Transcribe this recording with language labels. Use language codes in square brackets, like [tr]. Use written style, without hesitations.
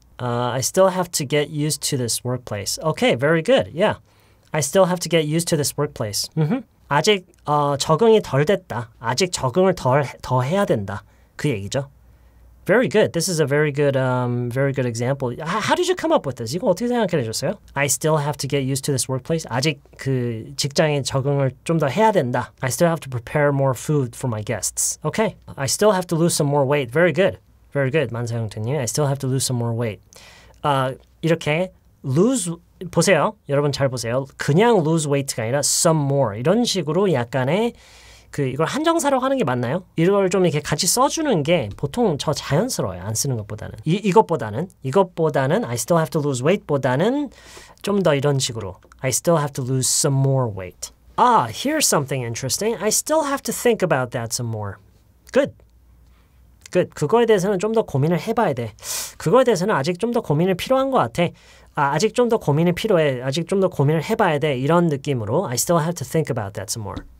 [en] I still have to get used to this workplace. Okay, very good. Yeah. I still have to get used to this workplace. [ko] Mm-hmm. 아직 적응이 덜 됐다. 아직 적응을 더 해야 된다. 그 얘기죠. [en] Very good. This is a very good example. How did you come up with this? [ko] 이거 어떻게 생각해 내셨어요? [en] I still have to get used to this workplace. [ko] 아직 그 직장에 적응을 좀 더 해야 된다. [en] I still have to prepare more food for my guests. Okay. I still have to lose some more weight. Very good. Very good, 만세형태님. I still have to lose some more weight. 이렇게 [ko] lose 보세요. 여러분 잘 보세요. 그냥 lose weight가 아니라 some more 이런 식으로 약간의 그 이걸 한정사로 하는 게 맞나요? 이걸 좀 이렇게 같이 써주는 게 보통 저 자연스러워요. 안 쓰는 것보다는 이것보다는 [en] I still have to lose weight [ko] 보다는 좀 더 이런 식으로 [en] I still have to lose some more weight. Ah, here's something interesting. I still have to think about that some more. Good. Good. [ko] 그거에 대해서는 좀 더 고민을 해봐야 돼. 그거에 대해서는 아직 좀 더 고민이 필요한 것 같아. 아, 아직 좀 더 고민이 필요해. 아직 좀 더 고민을 해봐야 돼. 이런 느낌으로 [en] I still have to think about that some more.